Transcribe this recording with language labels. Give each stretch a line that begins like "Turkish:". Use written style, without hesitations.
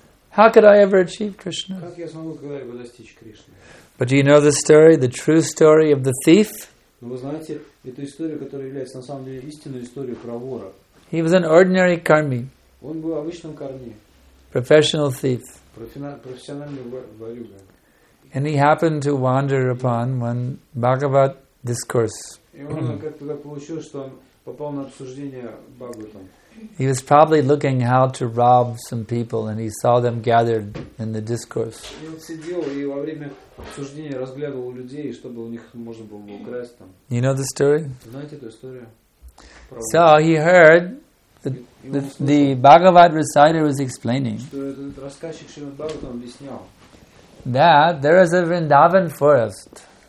English: How could I ever achieve Krishna? But do you know the story, the true story of the thief?
Russian: Но вы знаете, эта история, которая является на самом деле истинной историей про вора.
English: He was an ordinary karmi.
Russian: Он был обычным карми.
English: Professional thief.
Russian: Профессиональный ворюга.
English: And he happened to wander upon one Bhagavat discourse.
Russian: И он как-то так получилось, что он попал на обсуждение Бхагаватам.
English: He was probably looking how to rob some people, and he saw them gathered in the discourse.
Russian: И он сидел и во время обсуждения разглядывал людей, чтобы у них можно было украсть там.
English: You know the story?
Russian: Знаете эту историю?
English: So he heard the Bhagavad reciter was explaining that there is a Vrindavan forest.